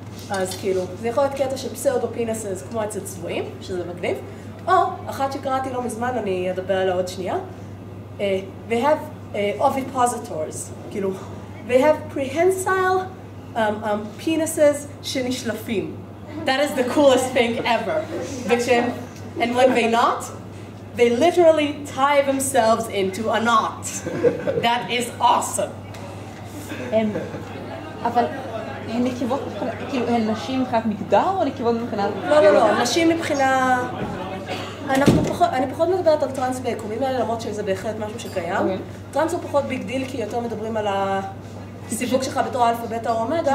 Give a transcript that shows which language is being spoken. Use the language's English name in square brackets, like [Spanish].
[Hebrew] אז כאילו, זה יכול להיות קטע של פסאודו-פינסס כמו אצל צבועים, שזה מגניב, או, אחת שקראתי לא מזמן, אני אדבר עליה עוד שנייה, [English] they have ovipositors, [Hebrew] כאילו, [English] they have prehensile penises [Hebrew] שנשלפים. [English] That is the coolest thing ever. [Hebrew] וכשהם, [English] and when they not, they literally tie themselves into a knot. That is awesome. [Hebrew] אבל... הן נקבות מבחינת, כאילו, הן נשים מבחינת מגדר או נקבות מבחינת... לא, נשים מבחינה... אני פחות מדברת על טרנס ביקומים האלה, למרות שזה בהחלט משהו שקיים. טרנס הוא פחות ביג דיל, כי יותר מדברים על הסיווג שלך בתור אלפא, בטא או אומגה.